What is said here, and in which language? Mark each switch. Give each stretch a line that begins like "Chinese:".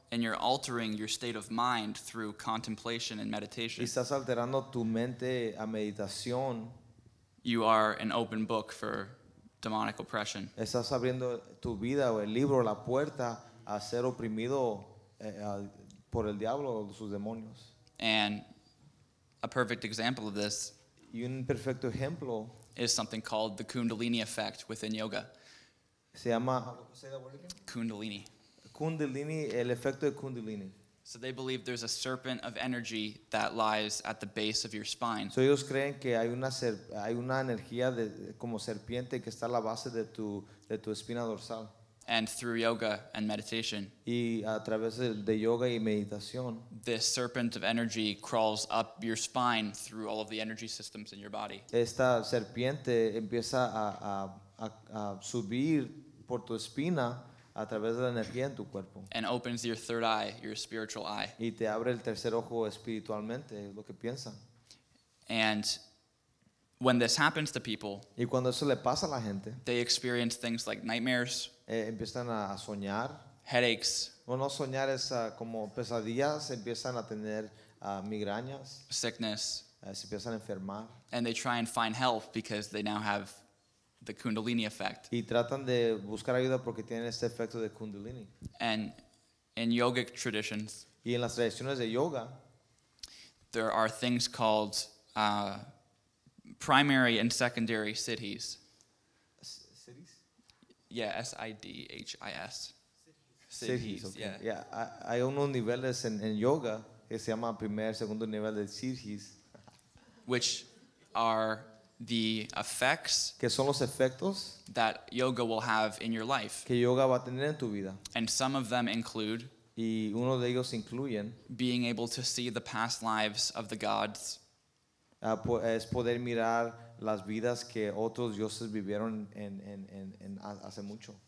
English: And you're altering your state of mind through contemplation and meditation.
Spanish: Y estás alterando tu mente a meditación.
English: You are an open book for demonic oppression.
Spanish: Estás abriendo tu vida o el libro, la puerta a ser oprimido por el diablo o sus demonios.
English: And a perfect example of this,
Spanish: y un perfecto ejemplo,
English: is something called the Kundalini effect within yoga.
Spanish: Se llama,
English: say that word again? Kundalini.
Spanish: Kundalini, el efecto de Kundalini.
English: So they believe there's a serpent of energy that lies at the base of your spine.
Spanish: So ellos creen que hay una energía de como serpiente que está a la base de tu espina dorsal.
English: And through yoga and meditation.
Spanish: Y a través de yoga y meditación.
English: This serpent of energy crawls up your spine through all of the energy systems in your body.
Spanish: Esta serpiente empieza a subir por tu espina. A través de la energía en tu cuerpo.
English: And opens your third eye, your spiritual eye.
Spanish: Y te abre el tercer ojo espiritualmente, lo que piensan.
English: And when this happens to people,
Spanish: y cuando eso le pasa a la gente,
English: they experience things like nightmares,
Spanish: empiezan a soñar,
English: headaches,
Spanish: o no soñar es como pesadillas, empiezan a tener migrañas,
English: sickness,
Spanish: se empiezan a enfermar.
English: And they try and find help because they now have the Kundalini effect.
Spanish: Y tratan de buscar ayuda porque tienen este efecto de Kundalini.
English: And in yogic traditions,
Spanish: y en las tradiciones de yoga,
English: there are things called primary and secondary siddhis.
Spanish: Siddhis?
English: Yeah, S-I-D-H-I-S. Siddhis, okay. Yeah.
Spanish: Hay unos niveles en yoga que se llama primer, segundo nivel de siddhis.
English: Which are the effects,
Spanish: que son los efectos,
English: that yoga will have in your life,
Spanish: que yoga va a tener en tu vida.
English: And some of them include,
Spanish: y uno de ellos incluyen,
English: being able to see the past lives of the gods,
Spanish: es poder mirar las vidas que otros dioses vivieron en hace mucho,